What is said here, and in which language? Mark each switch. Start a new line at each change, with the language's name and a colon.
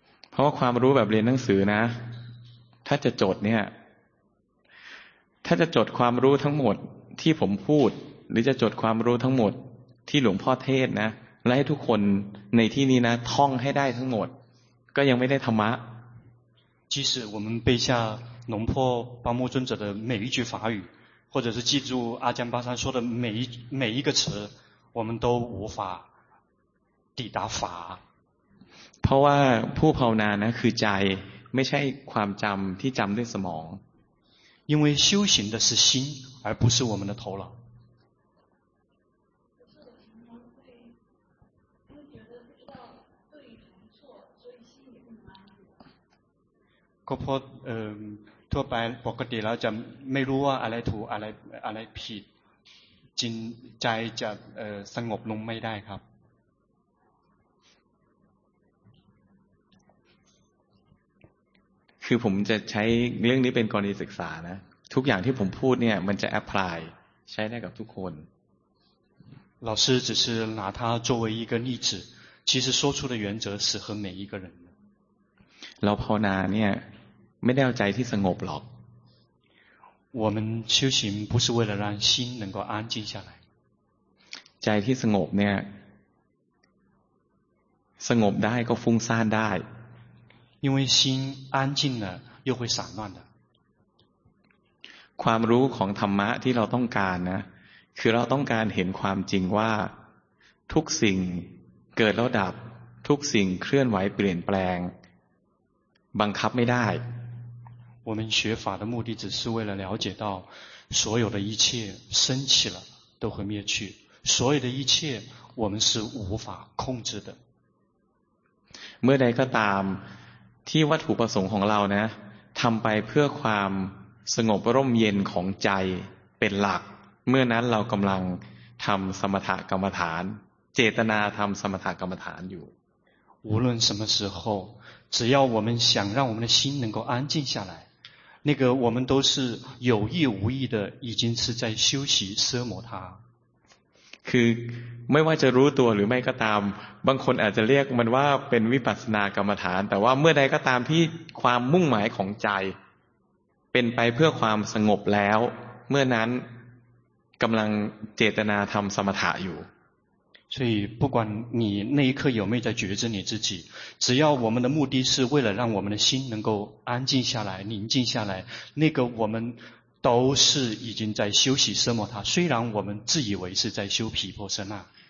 Thai: เพราะความรู้แบบเรียนหนังสือนะถ้าจะจดเนี่ยถ้าจะจดความรู้ทั้งหมดที่ผมพูดหรือจะจดความรู้ทั้งหมดที่หลวงพ่อเทศนะและให้ทุกคนในที่นี้นะท่องให้ได้ทั้งหมดก็ยังไม่ได้ธรรมะ
Chinese: 即使我们背下龙破八木尊者的每一句法语或者是记住阿姜巴桑说的每一个词我们都无法抵达法
Thai: เพราะว่าผู้ภาวนานะคือใจไม่ใช่ความจำที่จำด้วยสมอง
Chinese: 因为修行的是心而不是我们的头脑
Thai: ก็เพราะทั่วไปปกติแล้วจะไม่รู้ว่าอะไรถูกอะไรผิดจิตใจจะสงบลงไม่ได้ครับ คือผมจะใช้เรื่องนี้เป็นกรณีศึกษานะทุกอย่างที่ผมพูดเนี่ยมันจะแอพพลายใช้ได้กับทุกคน
Chinese: 老师只是拿它作为一个例子其实说出的原则适合每一个人
Thai: เราภาวนาเนี่ยไม่ได้เอาใจที่สงบหรอก
Chinese: 我们修行不是为了让心能够安静下来
Thai: ใจที่สงบเนี่ยสงบได้ก็ฟุ้งซ่านได้
Chinese: 因为心安静了又会散乱的
Thai: ความรู้ของธรรมะที่เราต้องการนะคือเราต้องการเห็นความจริงว่าทุกสิ่งเกิดแล้วดับทุกสิ่งเคลื่อนไหวเปลี่ยนแปลงบังคับไม่ได้
Chinese: 我们学法的目的只是为了了解到所有的一切生起了都会灭去所有的一切我们是无法控制的
Thai: เมื่อใดก็ตามที่วัตถุประสงค์ของเรานะทำไปเพื่อความสงบร่มเย็นของใจเป็นหลักเมื่อนั้นเรากำลังทำสมถกรรมฐานเจตนาทำสมถกรรมฐานอยู่
Chinese: 无论什么时候只要我们想让我们的心能够安静下来那个我们都是有意无意的已经是在修习奢摩他
Thai: คือไม่ว่าจะรู้ตัวหรือไม่ก็ตามบางคนอาจจะเรียกมันว่าเป็นวิปัสสนากรรมฐานแต่ว่าเมื่อใดก็ตามที่ความมุ่งหมายของใจเป็นไปเพื่อความสงบแล้วเมื่อนั้นกำลังเจตนาทำสมถะอยู่
Chinese: 所以不管你那一刻有没有在觉知你自己只要我们的目的是为了让我们的心能够安静下来宁静下来那个我们都是已经在修习奢摩他虽然我们自以为是在修毗婆舍那